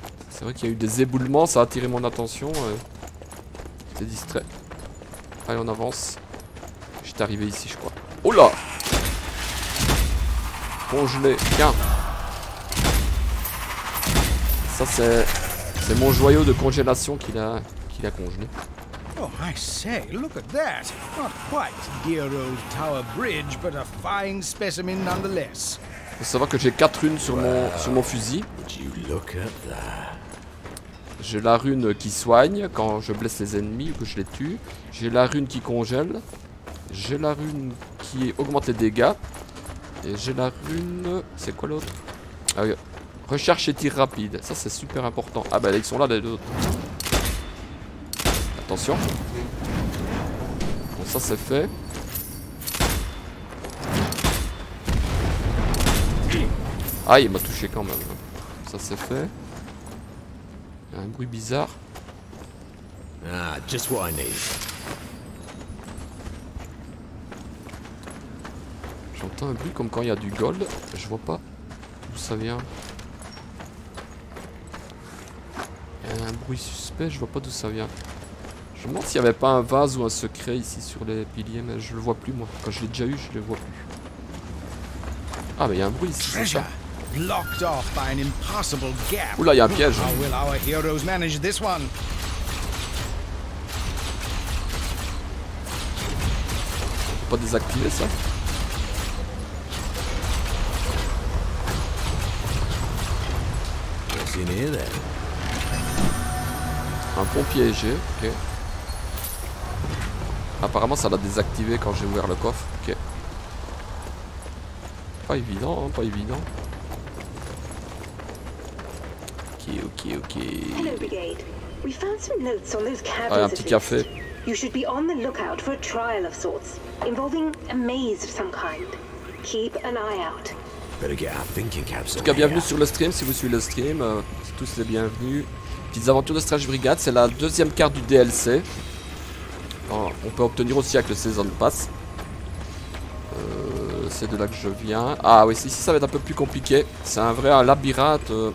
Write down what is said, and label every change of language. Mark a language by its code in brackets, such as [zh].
[fr] C'est vrai qu'il y a eu des éboulements, ça a attiré mon attention. J'étais distrait. Allez, on avance. J'étais arrivé ici, je crois. Oh là! Congelé, tiens. Ça, c'est mon joyau de congélation qu'il a congelé. [en] Oh, I say, look at that. Not quite dear old Tower Bridge, but a fine specimen nonetheless. [fr] Faut savoir que j'ai 4 runes sur mon fusil. [en] You look at that. [fr] J'ai la rune qui soigne quand je blesse les ennemis ou que je les tue. J'ai la rune qui congèle. J'ai la rune qui augmente les dégâts. Et j'ai la rune... C'est quoi l'autre? Ah oui. Recherche et tir rapide. Ça, c'est super important. Ah bah, ils sont là, les autres. Attention. Bon, ça, c'est fait. Ah, il m'a touché quand même. Ça, c'est fait. Il y a un bruit bizarre. [en] Ah, just what I need. [fr] J'entends un bruit comme quand il y a du gold. Je vois pas d'où ça vient. Il y a un bruit suspect, je vois pas d'où ça vient. Je me demande s'il n'y avait pas un vase ou un secret ici sur les piliers, mais je le vois plus moi. Quand je l'ai déjà eu, je le vois plus. Ah, mais il y a un bruit ici. C'est ça. [en] Locked off by an impossible gap. [fr] Oula, y a un piège. [en] How will our heroes manage this one? [fr] Faut pas désactiver ça. [en] What's in here then? [fr] Un pont piégé, ok. Apparemment, ça l'a désactivé quand j'ai ouvert le coffre, ok. Pas évident, hein, pas évident. Ok. [en] Hello, Brigade. We found some notes on those cabins. [fr] Ah, un petit café. [en] You should be on the lookout for a trial of sorts, involving a maze of some kind. Keep an eye out. Better get our thinking caps. [fr] En tout cas, bienvenue sur le stream. Si vous suivez le stream, tous les bienvenus. Petites aventures de Strange Brigade, c'est la deuxième carte du DLC. Alors, on peut obtenir aussi avec le Season Pass. C'est de là que je viens. Ah oui, ici ça va être un peu plus compliqué. C'est un vrai labyrinthe.